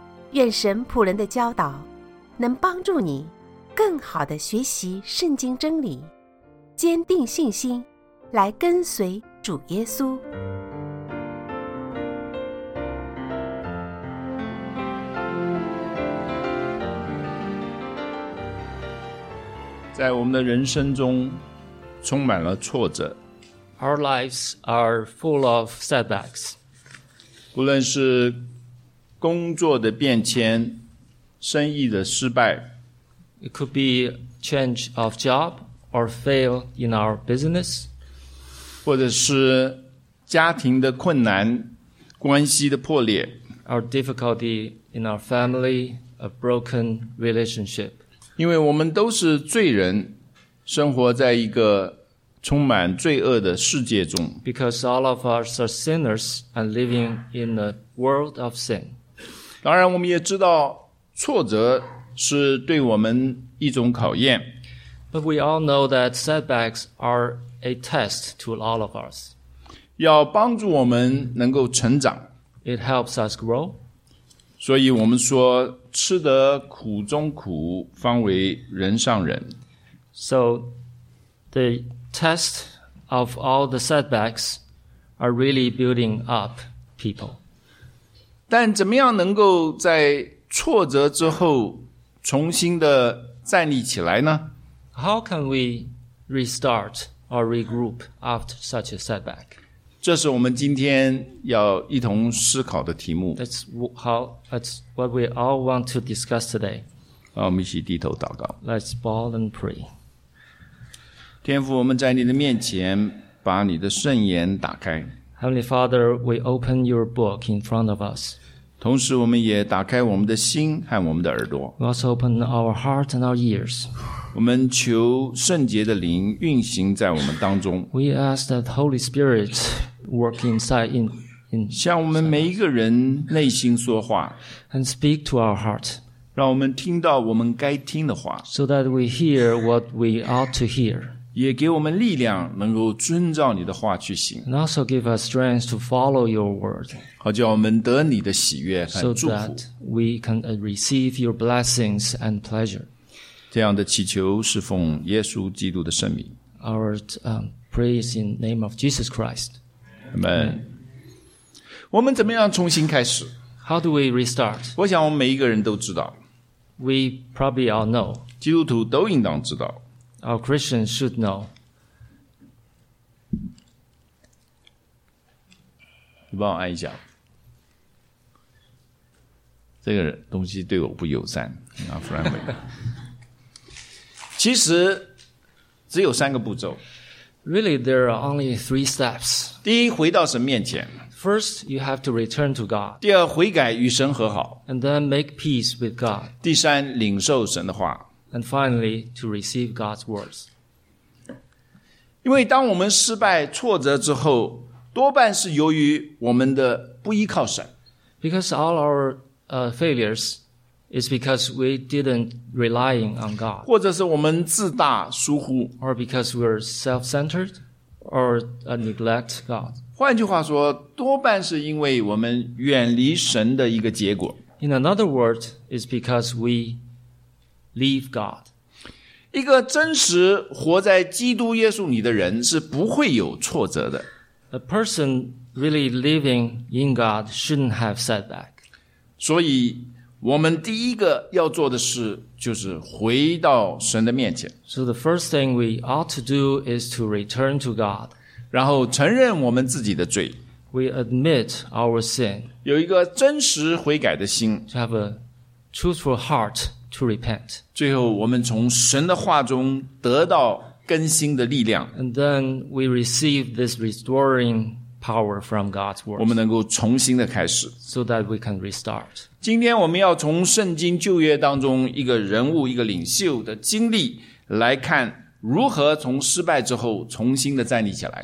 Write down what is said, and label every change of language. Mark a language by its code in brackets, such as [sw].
[zh] 愿神仆人的教导能帮助你更好地学习圣经真理，坚定信心来跟随主耶稣。在我们的人生中充满了挫折。 [en] Our lives are full of setbacks. [zh] 不论是工作的变迁，生意的失败， [en] It could be change of job or fail in our business. [zh] 或者是家庭的困难，关系的破裂， [en] Our difficulty in our family, a broken relationship. [zh] 因为我们都是罪人，生活在一个充满罪恶的世界中。 [en] Because all of us are sinners and living in a world of sin. [zh] 当然，我们也知道挫折是对我们一种考验。 [en] But we all know that setbacks are a test to all of us. [zh] 要帮助我们能够成长。 [en] It helps us grow. [zh] 所以我们说吃得苦中苦方为人上人。 [en] So the test of all the setbacks are really building up people. [zh] 但怎么样能够在挫折之后重新的站立起来呢？ [en] How can we restart or regroup after such a setback? [zh] 这是我们今天要一同思考的题目。 [en] That's what we all want to discuss today. [zh] 让我们一起低头祷告。 [en] Let's bow and pray. [zh] 天父，我们在你的面前把你的圣言打开。 [en] Heavenly Father, we open your book in front of us. [zh] 同时我们也打开我们的心和我们的耳朵。 [en] We also open our heart and our ears. [zh] 我们求圣洁的灵运行在我们当中。 [en] We ask that Holy Spirit work inside in [zh] 向我们每一个人内心说话。 [en] And speak to our heart. [zh] 让我们听到我们该听的话。 [en] So that we hear what we ought to hear. [zh] 也给我们力量能够遵照你的话去行。 [en] And also give us strength to follow your word. [zh] 好叫我们得你的喜悦和祝福。 [en] So that we can receive your blessings and pleasure. [zh] 这样的祈求是奉耶稣基督的圣名。 [en] Praise in name of Jesus Christ. [zh] Amen. 我们怎么样重新开始？ [en] How do we restart? [zh] 我想我们每一个人都知道。 [en] We probably all know. [zh] 基督徒都应当知道。 [en] Our Christians should know. [zh] You 帮我按一下。这个东西对我不友善。 [en] Not friendly. [zh] 其实只有三个步骤。 [en] Really, there are only three steps. [zh] 第一，回到神面前。 [en] First, you have to return to God. [zh] 第二，悔改与神和好。 [en] And then make peace with God. [zh] 第三，领受神的话。 [en] And finally, to receive God's words. [zh] 因为当我们失败挫折之后，多半是由于我们的不依靠神。 [en] Because all our failures,It's because we didn't rely on God. [zh] 或者是我们自大疏忽。 [en] Or because we're self-centered or neglect God. [zh] 换句话说，多半是因为我们远离神的一个结果。 [en] In another word, it's because we leave God. [zh] 一个真实活在基督耶稣里的人是不会有挫折的。 [en] A person really living in God shouldn't have setback. [zh] 所以我们第一个要做的事就是回到神的面前。 [en] So the first thing we ought to do is to return to God. [zh] 然后承认我们自己的罪。 [en] We admit our sin. [zh] 有一个真实悔改的心。 [en] To have a truthful heart to repent. [zh] 最后我们从神的话中得到更新的力量。 [en] And then we receive this restoring power from God's word. [zh] 我们能够重新的开始。 [en] So that we can restart. [zh] 今天我们要从圣经旧约当中一个人物一个领袖的经历来看如何从失败之后重新的站立起来。